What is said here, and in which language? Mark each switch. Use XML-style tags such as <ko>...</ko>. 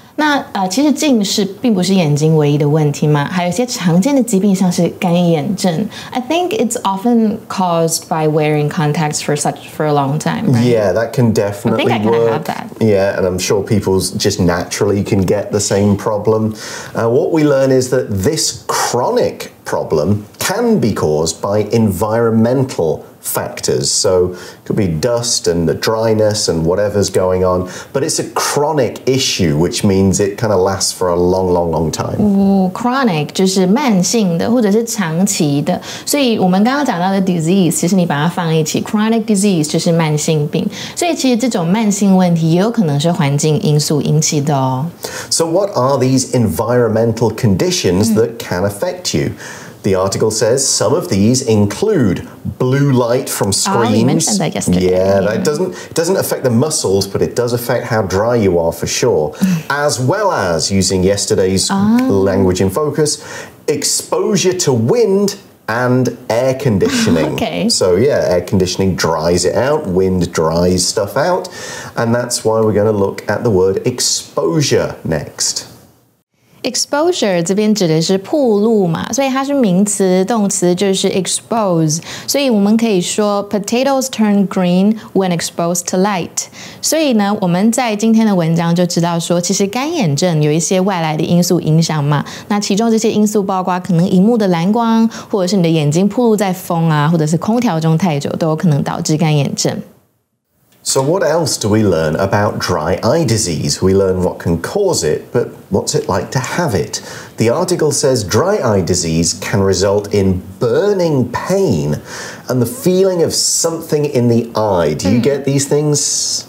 <zh>那其实近视并不是眼睛唯一的问题嘛，还有一些常见的疾病像是干眼症。</zh> <en>I think it's often caused by wearing contacts for a long time, right? Yeah, that can definitely work. I think I kind of have that. Yeah, and I'm sure people just naturally can get the same problem. What we learn is that this chronic problem can be caused by environmental factors. So it could be dust and the dryness and whatever's going on, but it's a chronic issue, which means it kind of lasts for a long, long, long time.</en> <zh>Ooh, chronic 就是慢性的或者是长期的。所以我们刚刚讲到的 disease, 其实你把它放一起 chronic disease 就是慢性病。所以其实这种慢性问题也有可能是环境因素引起的哦。</zh> <en>So what are these environmental conditions that can affect you? The article says some of these include blue light from screens. Oh, you mentioned that yesterday. Yeah, that doesn't affect the muscles, but it does affect how dry you are for sure. As well as, using yesterday's language in focus, exposure to wind and air conditioning. Okay. So yeah, air conditioning dries it out, wind dries stuff out, and that's why we're going to look at the word exposure next.</en> <zh>Exposure 这边指的是暴露嘛，所以它是名词，动词就是 expose。所以我们可以说</zh> <en>potatoes turn green when exposed to light。</en> <zh>所以呢，我们在今天的文章就知道说，其实干眼症有一些外来的因素影响嘛。那其中这些因素包括可能荧幕的蓝光，或者是你的眼睛暴露在风啊，或者是空调中太久，都有可能导致干眼症。</zh> <en>So what else do we learn about dry eye disease? We learn what can cause it, but what's it like to have it? The article says dry eye disease can result in burning pain and the feeling of something in the eye. Do you get these things?</en>